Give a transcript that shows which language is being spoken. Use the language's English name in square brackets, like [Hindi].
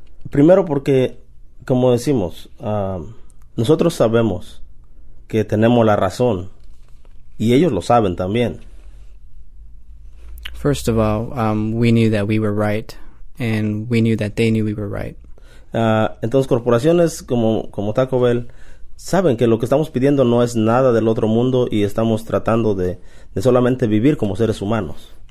[Spanish] Primero porque, como decimos, nosotros sabemos que tenemos la razón, y ellos lo saben también. [English] First of all, we knew that we were right, and we knew that they knew we were right. [Spanish] Entonces, corporaciones como Taco Bell saben que lo que estamos pidiendo no es nada del otro mundo y estamos tratando de solamente vivir como seres humanos.